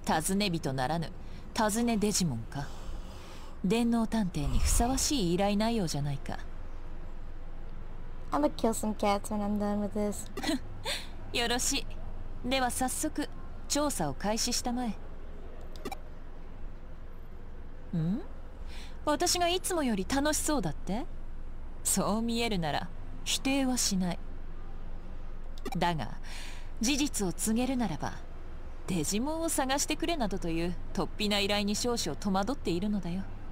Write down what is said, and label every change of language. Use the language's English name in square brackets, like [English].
[Japanese] 尋ね人ならぬ尋ねデジモンか。電脳探偵にふさわしい依頼内容じゃないか。 [English] I'm gonna kill some cats when I'm done with this. [Japanese] よろしい。では早速調査を開始したまえ。ん？私がいつもより楽しそうだって？そう見えるなら否定はしない。だが事実を告げるならば、デジモンを探してくれなどという突飛な依頼に少々戸惑っているのだよ。